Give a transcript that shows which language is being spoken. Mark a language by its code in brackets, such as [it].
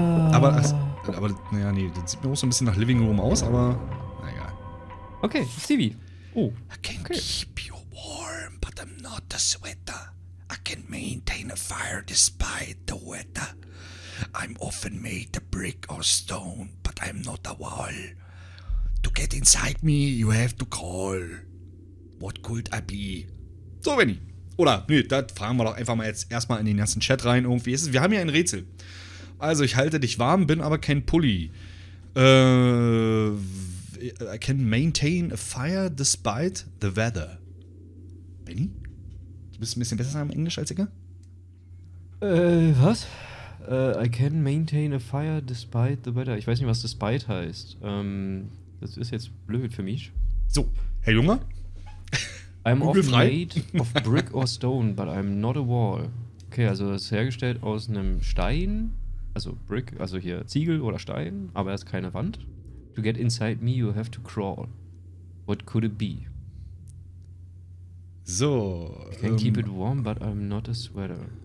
[de] Aber naja, nee, das sieht mir auch so ein bisschen nach Living Room aus, aber naja. [en] Okay, Stevie. Oh. I can keep you warm, but I'm not the sweater. I can maintain a fire despite the weather. I'm often made of brick or stone, but I'm not a wall. To get inside me, you have to call. What could I be? So, Benny. [de] Oder, nö, das fragen wir doch einfach mal jetzt erstmal in den ganzen Chat rein. Irgendwie ist es, wir haben hier ein Rätsel. Also, ich halte dich warm, bin aber kein Pulli. [en] I can maintain a fire despite the weather. Benny? [de] Du bist ein bisschen besser im Englisch als ich? Was? [en] I can maintain a fire despite the weather. [de] Ich weiß nicht, was despite heißt. Das ist jetzt blöd für mich. So, Herr Junge? [en] I'm often made of brick or stone, but I'm not a wall. [de] Okay, also das ist hergestellt aus einem Stein, also Brick, also hier Ziegel oder Stein, aber er ist keine Wand. [en] To get inside me, you have to crawl. What could it be? So. I can keep it warm, but I'm not a sweater.